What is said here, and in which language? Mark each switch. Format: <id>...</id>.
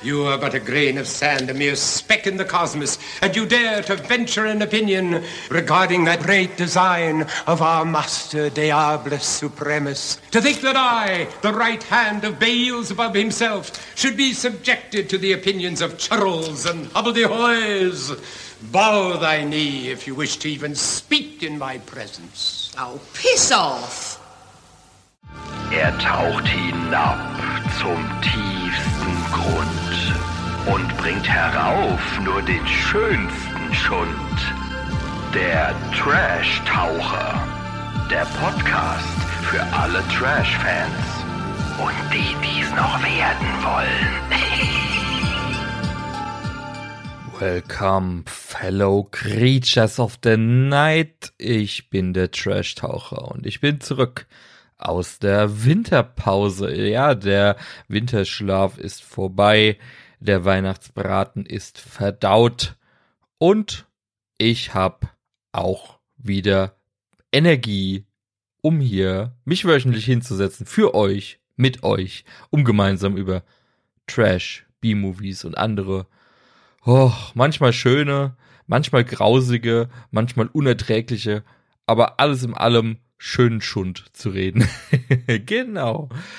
<en>You are but a grain of sand, a mere speck in the cosmos, and you dare to venture an opinion regarding that great design of our master, Diabolus Supremus. To think that I, the right hand of Beelzebub himself, should be subjected to the opinions of churls and hobbledehoys. Bow thy knee if you wish to even speak in my presence. Oh, piss off!</en> <de>Er taucht hinab zum tiefsten Grund und bringt herauf nur den schönsten Schund. Der Trash-Taucher, der Podcast für alle Trash-Fans und die, die es noch werden wollen.</de> <en>Welcome, fellow creatures of the night.</en> <de>Ich bin der Trash-Taucher und ich bin zurück. Aus der Winterpause. Ja, der Winterschlaf ist vorbei, der Weihnachtsbraten ist verdaut und ich habe auch wieder Energie, um hier mich wöchentlich hinzusetzen, für euch, mit euch, um gemeinsam über Trash, B-Movies und andere, manchmal schöne, manchmal grausige, manchmal unerträgliche, aber alles in allem schönen Schund zu reden. Genau.</de>